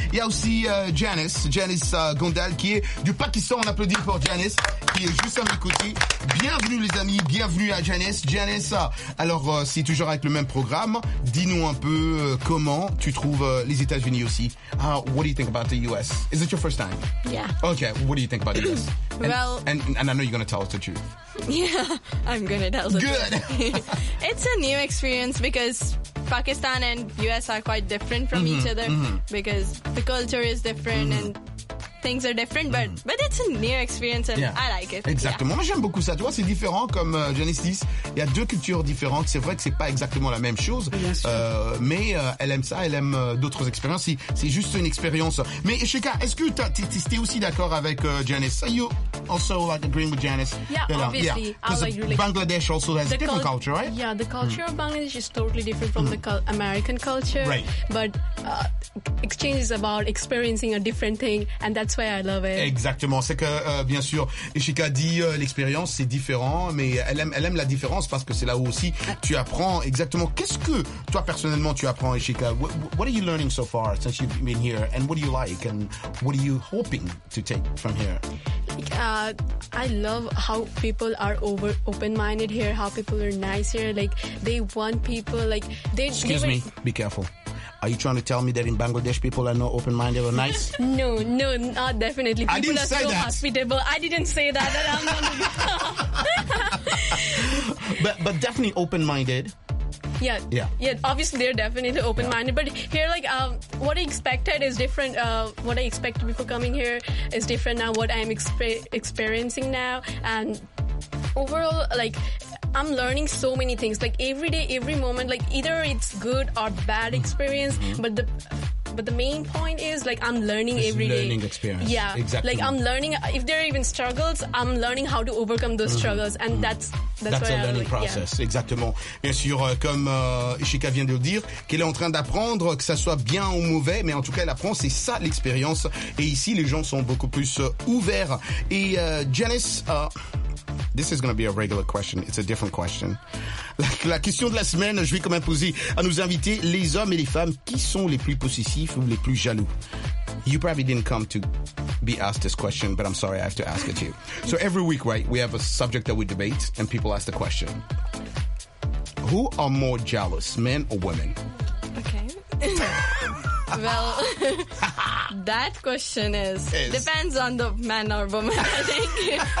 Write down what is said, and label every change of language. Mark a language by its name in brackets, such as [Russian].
[French] Il y a aussi Janice Gondal, qui est du Pakistan. On applaudit pour Janice, qui est juste à mes côtés. Bienvenue, les amis. Bienvenue à Janice. Janessa, alors c'est toujours avec le même programme. Dis-nous un peu comment tu trouves les États-Unis aussi. [English] What do you think about the US? Is it your first time? Yeah. Okay, what do you think about the US? Well, and I know you're going to tell us the truth. Yeah, I'm going to tell the good truth. It's a new experience because Pakistan and US are quite different from mm-hmm, each other mm-hmm. because the culture is different mm-hmm. and things are different, but it's a new experience and yeah. I like it. [French] Exactement. [English] Yeah. [French] Moi, j'aime beaucoup ça. Tu vois, c'est différent comme Janice dit. Il y a deux cultures différentes. C'est vrai que c'est pas exactement la même chose. Mais elle aime ça. Elle aime d'autres expériences. C'est juste une expérience. Mais Sheka, est-ce que t'es aussi d'accord avec Janice? [English] Are you also like agreeing with Janice? Yeah, yeah, obviously. Yeah. Like, Bangladesh also has a different culture, right? Yeah, the culture of Bangladesh is totally different from the American culture. Right. But exchange is about experiencing a different thing and that's why I love it. [French] Exactement, c'est que bien sûr, Ishika dit l'expérience c'est différent, mais elle aime la différence parce que c'est là où aussi tu apprends exactement. Qu'est-ce que toi personnellement tu apprends, Ishika? [English] What are you learning so far since you've been here, and what do you like, and what are you hoping to take from here? I love how people are open-minded here, how people are nice here, like they want people, like they. Excuse me, be careful. Are you trying to tell me that in Bangladesh people are not open-minded or nice? No, not definitely. People I didn't say so that. Hospitable. I didn't say that. That I'm not. but definitely open-minded. Yeah. Yeah. Yeah. Obviously, they're definitely open-minded. Yeah. But here, like, what I expected is different. What I expected before coming here is different now. What I'm experiencing now, and overall, like, I'm learning so many things, like every day, every moment, like either it's good or bad experience, but the main point is like I'm learning it's every learning Learning experience. Yeah. Exactly. Like I'm learning, if there are even struggles, I'm learning how to overcome those struggles. And that's a learning process. Yeah. [French] Exactement. Bien sûr, comme Ishika vient de le dire, qu'elle est en train d'apprendre, que ça soit bien ou mauvais, mais en tout cas, elle apprend, c'est ça l'expérience. Et ici, les gens sont beaucoup plus ouverts. [English] Et Janice, this is going to be a regular question. It's a different question. [French] La question de la semaine, je vais quand même poser à nos invités, les hommes et les femmes, qui sont les plus possessifs ou les plus jaloux? [English] You probably didn't come to be asked this question, but I'm sorry, I have to ask it to you. So every week, right, we have a subject that we debate and people ask the question. Who are more jealous, men or women? Okay. Well, that question is depends on the man or woman, I think.